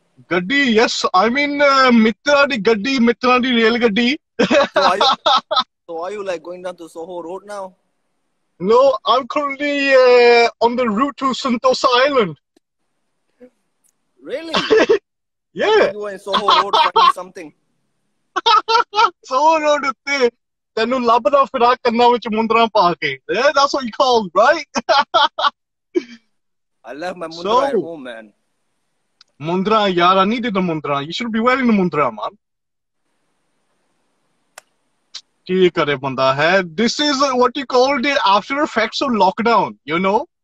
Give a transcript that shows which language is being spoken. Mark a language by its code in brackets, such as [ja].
[pa] गड्डी, [en] yes, I mean [pa] मित्रा दी गड्डी, मित्रा दी rail गड्डी। [en] So are you like going down to Soho Road now? No, I'm currently on the route to Sentosa Island. Really? Yeah. You were in Soho Road finding something. [pa] Soho Road utte tenu labda phira kanna vich mundra pa ke. [en] That's what you call, right? I love my mundra at home, man. Mundra, yaar, I needed the mundra. You should be wearing the mundra, man. [pa] ਕੀ ਕਰੇ ਬੰਦਾ ਹੈ। [en] This is what you call the after effects of lockdown, you know.